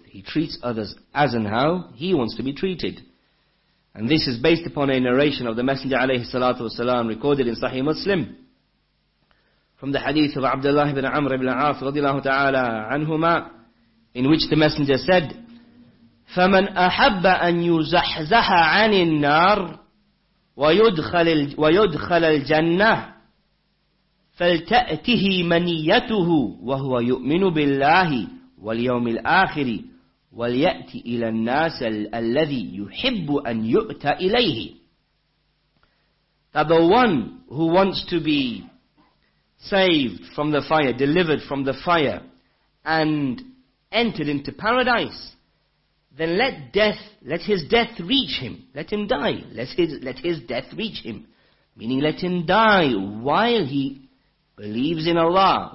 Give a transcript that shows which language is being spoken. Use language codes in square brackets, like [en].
[en] He treats others as and how he wants to be treated. And this is based upon a narration of the Messenger alayhi salatu wasalam recorded in Sahih Muslim. From the hadith of Abdullah ibn Amr ibn As radiallahu ta'ala anhuma, in which the Messenger said, [ar] فَمَنْ أَحَبَّ أَن يُزَحْزَحَ عَنِ النَّارِ ويدخل الجنة فلتأته منيته وهو يؤمن بالله واليوم الآخر وليأتي إلى الناس الذي يحب أن يؤتى إليه. [en] That the one who wants to be saved from the fire, delivered from the fire, and entered into paradise, then let his death reach him. Let him die. Let his death reach him. Meaning let him die while he believes in Allah.